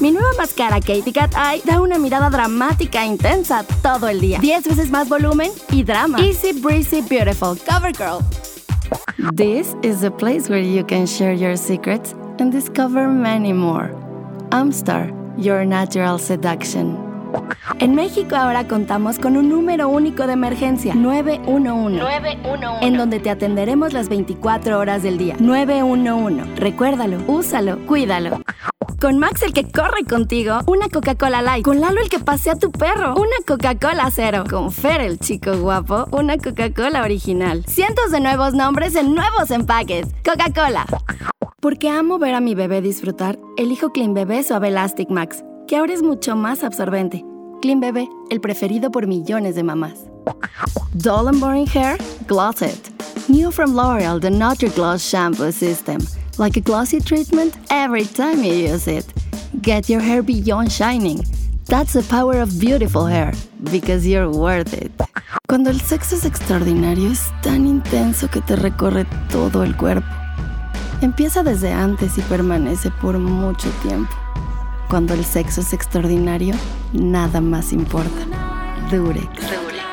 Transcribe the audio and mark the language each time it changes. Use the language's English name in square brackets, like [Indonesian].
[Spanish] Mi nueva máscara Katy Cat Eye da una mirada dramática e intensa todo el día. 10 veces más volumen y drama. [English] Easy breezy beautiful. CoverGirl. This is the place where you can share your secrets and discover many more. Amstar, your natural seduction. [Spanish] En México ahora contamos con un número único de emergencia, 911. 911. En donde te atenderemos las 24 horas del día. 911. Recuérdalo, úsalo, cuídalo. Con Max, el que corre contigo, una Coca-Cola Light. Con Lalo, el que pasea tu perro, una Coca-Cola Cero. Con Fer, el chico guapo, una Coca-Cola Original. Cientos de nuevos nombres en nuevos empaques. Coca-Cola. Porque amo ver a mi bebé disfrutar, elijo Clean Bebé Suave Elastic Max, que ahora es mucho más absorbente. Clean Bebé, el preferido por millones de mamás. [English] Dull and Boring Hair, Gloss It. New from L'Oreal, the Nature Gloss Shampoo System. Like a glossy treatment every time you use it. Get your hair beyond shining. That's the power of beautiful hair, because you're worth it. [Spanish] Cuando el sexo es extraordinario, es tan intenso que te recorre todo el cuerpo. Empieza desde antes y permanece por mucho tiempo. Cuando el sexo es extraordinario, nada más importa. Durex.